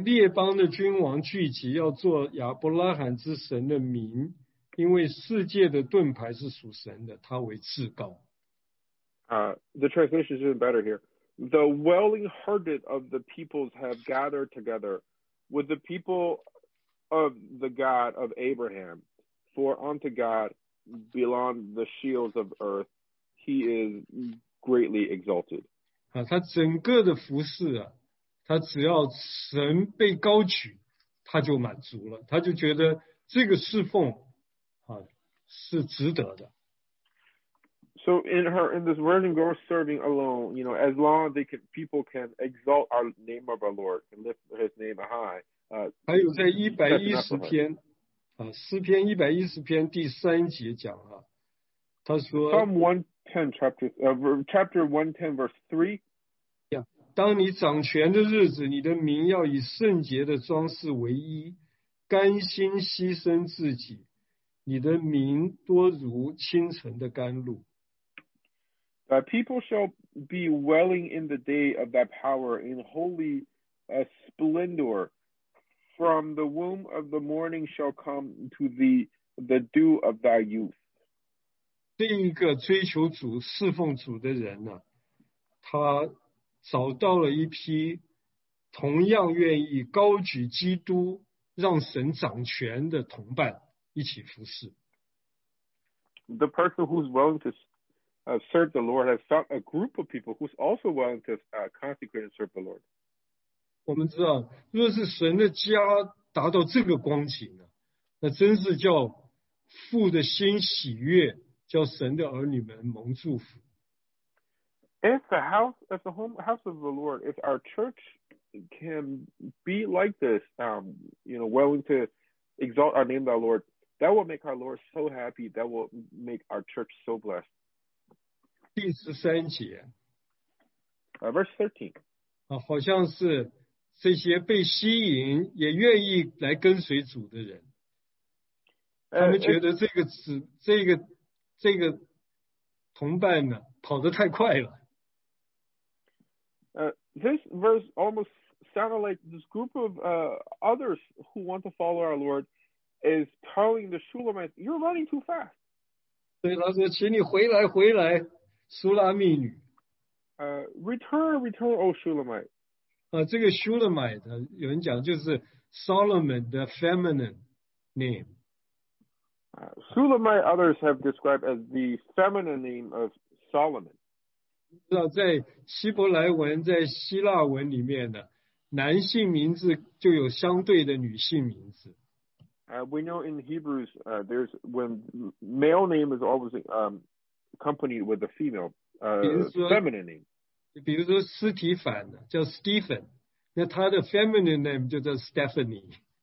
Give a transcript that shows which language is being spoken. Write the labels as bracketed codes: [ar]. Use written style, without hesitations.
[zh] 列邦的君王聚集，要做亚伯拉罕之神的名，因为世界的盾牌是属神的，他为至高。 [en] The translation is even better here. The willing hearted of the peoples have gathered together with the people of the God of Abraham. For unto God belong the shields of earth. He is greatly exalted. [zh] 他整个的服事啊，他只要神被高举，他就满足了，他就觉得这个侍奉是值得的。 [en] So in this virgin girl serving alone, you know, as long as people can exalt our name of our Lord and lift His name high. [zh] 还有在110篇。诗篇110篇第三节讲啊，他说, [en] Psalm 110, chapter 110, verse 3. [zh] Yeah, 当你掌权的日子，你的民要以圣洁的装饰为衣，甘心牺牲自己，你的民多如清晨的甘露。 [en] People shall be welling in the day of that power in holy splendor. From the womb of the morning shall come to thee the dew of thy youth. [zh] 这一个追求主、侍奉主的人呢、啊，他找到了一批同样愿意高举基督、让神掌权的同伴一起服侍。 [en] The person who's willing to serve the Lord has found a group of people who's also willing to consecrate and serve the Lord. [zh] 我们知道，若是神的家达到这个光景呢，那真是叫父的心喜悦，叫神的儿女们蒙祝福。 [en] If the house, if the home, house of the Lord, if our church can be like this, you know, willing to exalt our name, the Lord, that will make our Lord so happy. That will make our church so blessed. [zh] 第十三节 [en] verse 13. [zh] 啊，好像是这些被吸引也愿意来跟随主的人，他们觉得这个子这个同伴呢跑得太快了。 This verse almost sounded like this group of others who want to follow our Lord is telling the Shulamite, you're running too fast. 对，他说，请你回来回来，苏拉密女。 [en] Return, O Shulamite. [zh] 这个 Shulamite, 有人讲就是 Solomon, [en] the feminine name. Shulamite, others have described as the feminine name of Solomon. [zh] 在希伯来文在希腊文里面的男性名字就有相对的女性名字。 [en] We know in Hebrews, there's when male name is always accompanied with a female, feminine name. [zh] 比如说斯提凡叫 Stephen, 那他的 [en] feminine name [zh] 就叫 Stephanie。